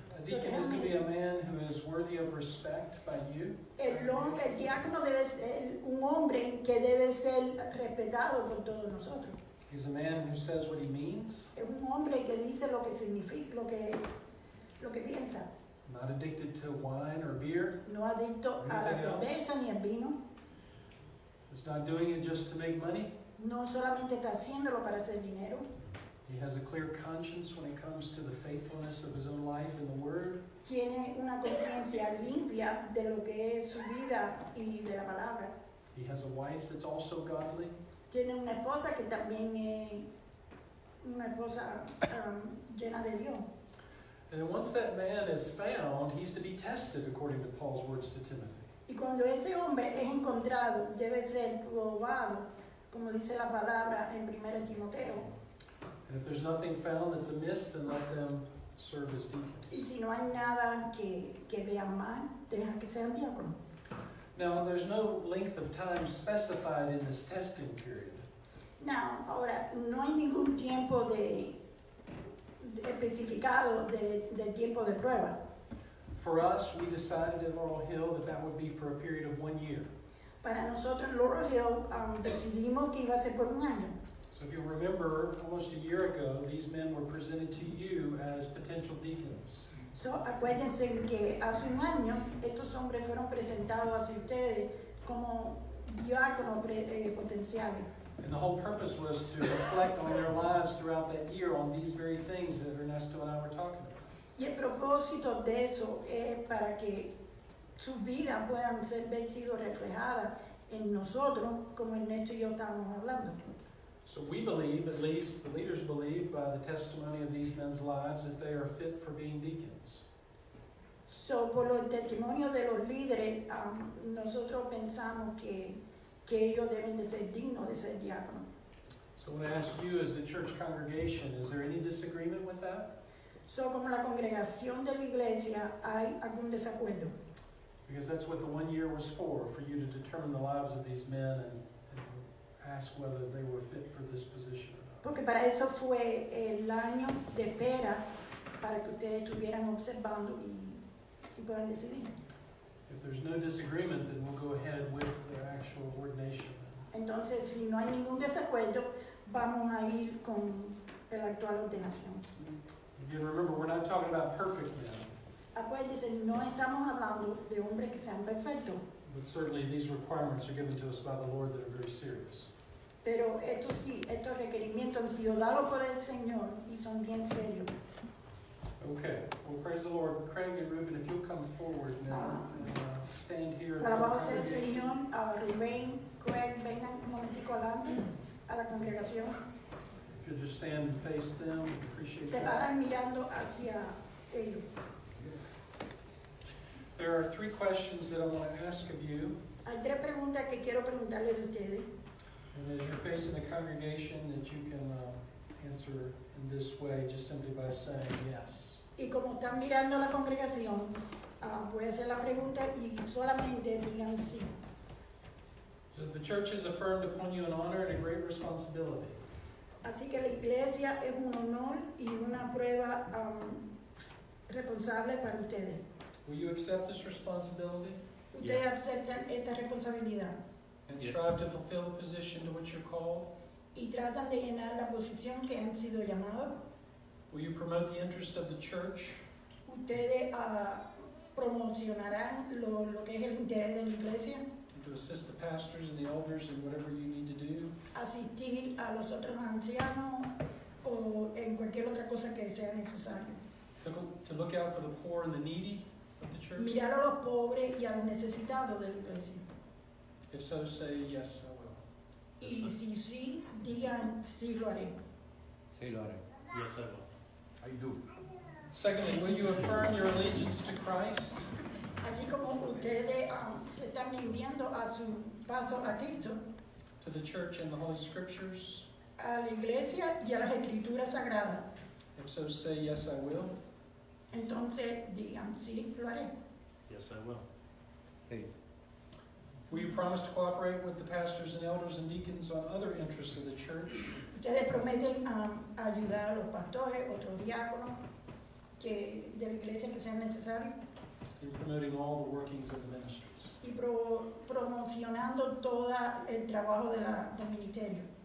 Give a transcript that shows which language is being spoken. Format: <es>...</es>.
<en>A deacon is to be a man who is worthy of respect by you.</en> <es>El diácono debe ser un hombre que debe ser respetado por todos nosotros.</es> <en>He's a man who says what he means.</en> <es>Es un hombre que dice lo que significa, lo que piensa.</es> <en>Not addicted to wine or beer.</en> <es>No adicto a la cerveza ni al vino.</es> <en>He's not doing it just to make money.</en> <es>No solamente está haciéndolo para hacer dinero.</es> <en>He has a clear conscience when it comes to the faithfulness of his own life in the Word.</en> <es>Tiene una conciencia limpia de lo que es su vida y de la palabra.</es> <en>He has a wife that's also godly.</en> <es>Tiene una esposa que también es una esposa llena de Dios.</es> <en>And once that man is found, he's to be tested, according to Paul's words to Timothy.</en> <es>Y cuando ese hombre es encontrado, debe ser probado, como dice la palabra en 1 Timoteo.</es> <en>And if there's nothing found that's amiss, then let them serve as deacons.</en> <es>Y si no hay nada que vean mal, deja que sean diáconos.</es> <en>Now, there's no length of time specified in this testing period.</en> <es>Now, ahora, no hay ningún tiempo de especificado de tiempo de prueba.</es> <en>For us, we decided in Laurel Hill that would be for a period of 1 year.</en> <es>Para nosotros en Laurel Hill, decidimos que iba a ser por un año.</es> <en>If you remember, almost a year ago, these men were presented to you as potential deacons.</en> <es>So, acuérdense que hace un año, estos hombres fueron presentados hacia ustedes como diáconos potenciales.</es> <en>And the whole purpose was to reflect on their lives throughout that year on these very things that Ernesto and I were talking about.</en> <es>Y el propósito de eso es para que su vida puedan ser vencido reflejada en nosotros, como Ernesto y yo estábamos hablando.</es> <en>So we believe, at least the leaders believe, by the testimony of these men's lives, that they are fit for being deacons.</en> <es>So por el testimonio de los líderes, nosotros pensamos que ellos deben de ser dignos de ser diáconos.</es> <en>So when I ask you as the church congregation, is there any disagreement with that?</en> <es>So como la congregación de la iglesia, ¿hay algún desacuerdo?</es> <en>Because that's what the 1 year was for you to determine the lives of these men and ask whether they were fit for this position or not.</en> <es>Porque para eso fue el año de espera para que ustedes estuvieran observando y puedan decidir.</es> <en>If there's no disagreement, then we'll go ahead with their actual ordination.</en> <es>Entonces, si no hay ningún desacuerdo, vamos a ir con el actual ordenación.</es> <en>Again, remember, we're not talking about perfect men.</en> <es>Acuérdense, no estamos hablando de hombres que sean perfectos.</es> <en>But certainly these requirements are given to us by the Lord that are very serious.</en> <es>Pero esto sí, estos requerimientos han sido dados por el Señor y son bien serios.</es> <en>Okay, well praise the Lord. Craig and Ruben, if you'll come forward now and stand here.</en> <es>Alabado sea el Señor, Rubén, Craig. pueden vengan un momentico adelante a la congregación.</es> <en>If you'll just stand and face them, appreciate</en> <es>se</es> <en>that.</en> <es>Se paran mirando hacia ellos.</es> <en>There are three questions that I want to ask of you.</en> <es>Hay tres preguntas que quiero preguntarle de ustedes.</es> <en>And as you're facing the congregation, that you can answer in this way, just simply by saying yes.</en> <es>Y como están mirando la congregación, voy a hacer la pregunta y solamente digan sí.</es> <en>So the church has affirmed upon you an honor and a great responsibility.</en> <es>Así que la iglesia es un honor y una prueba responsable para ustedes.</es> <en>Will you accept this responsibility?</en> <es>¿Ustedes yeah. aceptan esta responsabilidad?</es> <en>And yeah. strive to fulfill the position to which you're called?</en> <es>¿Y tratan de llenar la posición que han sido llamados?</es> <en>Will you promote the interest of the church?</en> <es>¿Ustedes promocionarán lo que es el interés de la iglesia?</es> <en>And to assist the pastors and the elders in whatever you need to do?</en> <es>¿Asistir a los otros ancianos o en cualquier otra cosa que sea necesario?</es> <en>To look out for the poor and the needy? Of the church.</en> <es>Mirar a los pobres y a los necesitados de la iglesia.</es> <en>If so, say yes, I will.</en> <es>Y si sí, digan sí lo haré. Sí lo haré.</es> <en>Yes, I will. I do. Secondly, will you affirm your allegiance to Christ?</en> <es>Así como ustedes se están rindiendo a su paso a Cristo.</es> <en>To the church and the Holy Scriptures.</en> <es>A la iglesia y a las escrituras sagradas.</es> <en>If so, say yes, I will.</en> <es>Entonces, digan, sí, lo haré.</es> <en>Yes, I will.</en> <es>Sí.</es> <en>Will you promise to cooperate with the pastors and elders and deacons on other interests of the church?</en> <es>¿Ustedes prometen ayudar a los pastores, otros diáconos que de la iglesia que sea necesario?</es> <en>In promoting all the workings of the ministries.</en> <es>Y promocionando todo el trabajo de del ministerio.</es>